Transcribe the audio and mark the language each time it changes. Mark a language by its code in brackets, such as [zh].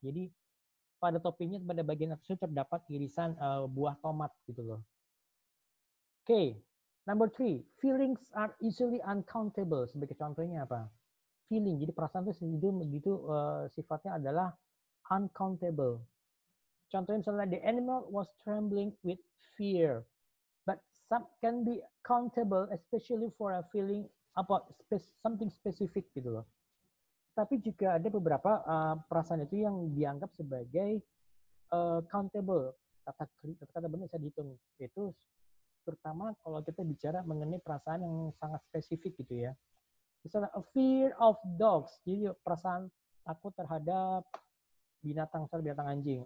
[id] Jadi pada toppingnya pada bagian atas itu terdapat irisan buah tomat gitu loh. [en] Okay. Number three, feelings are easily uncountable. [id] Sebagai contohnya apa? [en] Feeling. [id] Jadi perasaan itu sifatnya adalah uncountable. Contohnya misalnya [en] the animal was trembling with fear, but some can be countable, especially for a feeling about something specific [id] gitu loh. Tapi juga ada beberapa perasaan itu yang dianggap sebagai countable. Kata-kata benar bisa dihitung. Itu terutama kalau kita bicara mengenai perasaan yang sangat spesifik gitu ya. Misalnya [en] a fear of dogs, [id] jadi perasaan takut terhadap binatang anjing.